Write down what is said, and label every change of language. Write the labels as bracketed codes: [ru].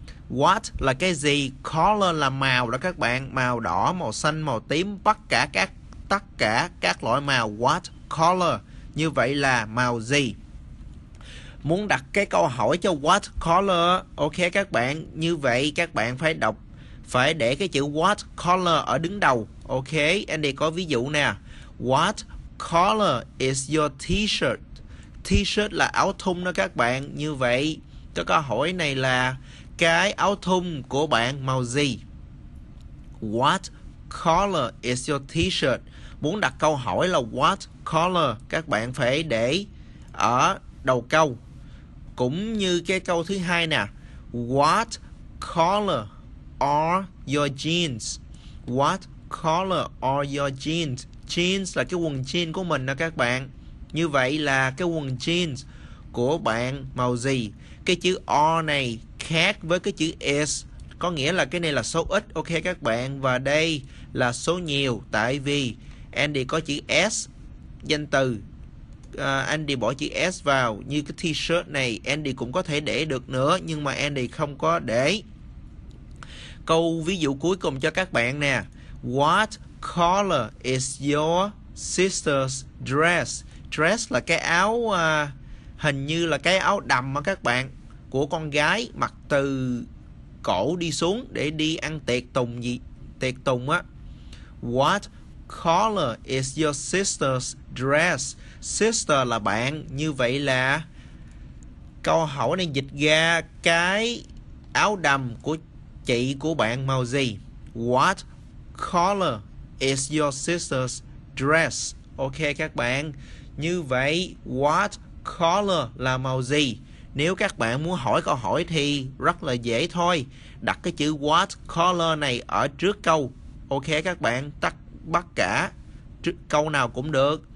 [vi] What là cái gì? Color là màu đó các bạn, màu đỏ, màu xanh, màu tím, tất cả các loại màu. [en] What color? [vi] Như vậy là màu gì? Muốn đặt cái câu hỏi cho what color, ok các bạn, như vậy các bạn phải đọc, phải để cái chữ what color ở đứng đầu. Ok, Andy có ví dụ nè. [en] What color is your t-shirt? [vi] T-shirt là áo thun đó các bạn. Như vậy, cái câu hỏi này là cái áo thun của bạn màu gì? [en] What color is your t-shirt? [vi] Muốn đặt câu hỏi là what color, các bạn phải để ở đầu câu. Cũng như cái câu thứ hai nè. [en] What color are your jeans? What color are your jeans? [vi] Jeans là cái quần jean của mình đó các bạn. Như vậy là cái quần jeans của bạn màu gì? Cái chữ are này khác với cái chữ is, có nghĩa là cái này là số ít, ok các bạn, và đây là số nhiều, tại vì Andy có chữ s danh từ. Andy bỏ chữ s vào. Như cái t-shirt này Andy cũng có thể để được nữa, nhưng mà Andy không có để. Câu ví dụ cuối cùng cho các bạn nè. [en] What color is your sister's dress? [vi] Dress là cái áo, hình như là cái áo đầm mà các bạn, của con gái mặc từ cổ đi xuống để đi ăn tiệc tùng gì, tiệc tùng á. [en] What color is your sister's dress? [vi] Sister là bạn, như vậy là câu hỏi này dịch ra cái áo đầm của chị của bạn màu gì? [en] What color is your sister's dress? [vi] Ok các bạn, như vậy what color là màu gì? Nếu các bạn muốn hỏi câu hỏi thì rất là dễ thôi, đặt cái chữ what color này ở trước câu. Ok các bạn, tắt bất cả câu nào cũng được.